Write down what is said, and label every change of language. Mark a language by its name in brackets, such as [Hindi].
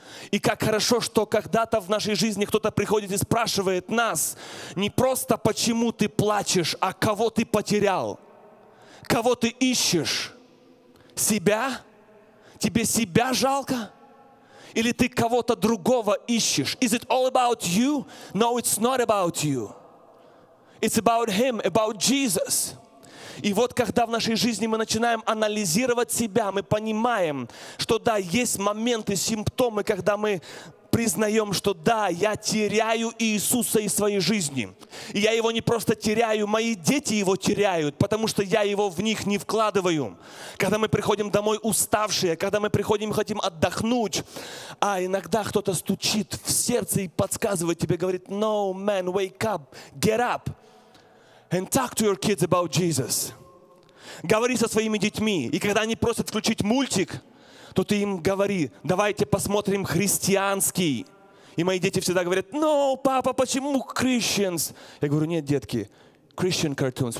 [Russian] И как хорошо, что когда-то в нашей жизни кто-то приходит и спрашивает нас, не просто почему ты плачешь, а кого ты потерял, кого ты ищешь, себя, тебе себя жалко, или ты кого-то другого ищешь? [English] Is it all about you? No, it's not about you. It's about Him, about Jesus. [Russian] И вот когда в нашей жизни мы начинаем анализировать себя, мы понимаем, что да, есть моменты, симптомы, когда мы признаем, что да, я теряю Иисуса из своей жизни. И я его не просто теряю, мои дети его теряют, потому что я его в них не вкладываю. Когда мы приходим домой уставшие, когда мы приходим и хотим отдохнуть, а иногда кто-то стучит в сердце и подсказывает тебе, говорит, [English] no man, wake up, get up. And talk to your kids about Jesus. [Russian] Говори со своими детьми. И когда они просят включить мультик, то ты им говори, давайте посмотрим христианский. И мои дети всегда говорят, no, папа, почему Christians? Я говорю, нет, детки, [English] Christian cartoons.